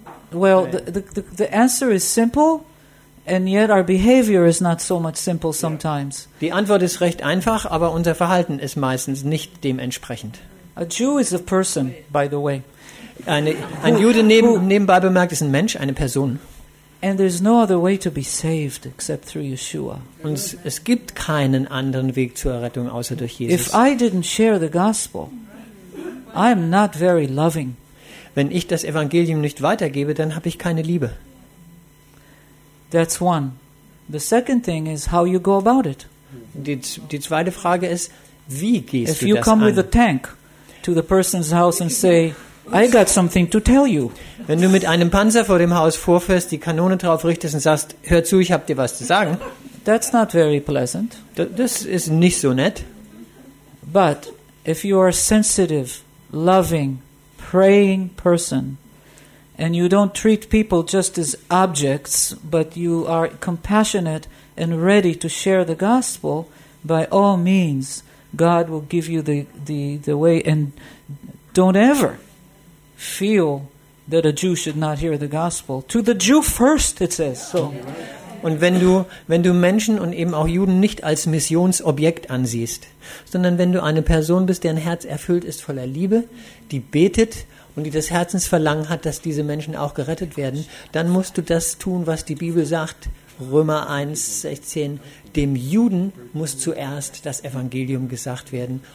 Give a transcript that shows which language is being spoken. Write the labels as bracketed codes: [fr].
[en] Well, the answer is simple, and yet our behavior is not so much simple sometimes. [de] Die Antwort ist recht einfach, aber unser Verhalten ist meistens nicht dementsprechend. [en] A Jew is a person, by the way. [de] Ein Jude nebenbei bemerkt ist ein Mensch, eine Person. [en] And there's no other way to be saved except through Yeshua. [de] Und es gibt keinen anderen Weg zur Errettung außer durch Jesus. [en] If I didn't share the gospel, I'm not very loving. [de] Wenn ich das Evangelium nicht weitergebe, dann habe ich keine Liebe. [en] That's one. The second thing is how you go about it. [de] Die zweite Frage ist, wie gehst du das an? [en] If you come with a tank to the person's house and say, I got something to tell you. [de] Wenn du mit einem Panzer vor dem Haus vorfährst, die Kanone drauf richtest und sagst, hör zu, ich habe dir was zu sagen. [en] That's not very pleasant. [de] Das ist nicht so nett. [en] But if you are sensitive, loving, praying person, and you don't treat people just as objects, but you are compassionate and ready to share the gospel, by all means, God will give you the way. And don't ever feel that a Jew should not hear the gospel. To the Jew first, it says. So. [de] Und wenn du Menschen und eben auch Juden nicht als Missionsobjekt ansiehst, sondern wenn du eine Person bist, deren Herz erfüllt ist voller Liebe, die betet und die das Herzensverlangen hat, dass diese Menschen auch gerettet werden, dann musst du das tun, was die Bibel sagt, Römer 1, 16, dem Juden muss zuerst das Evangelium gesagt werden.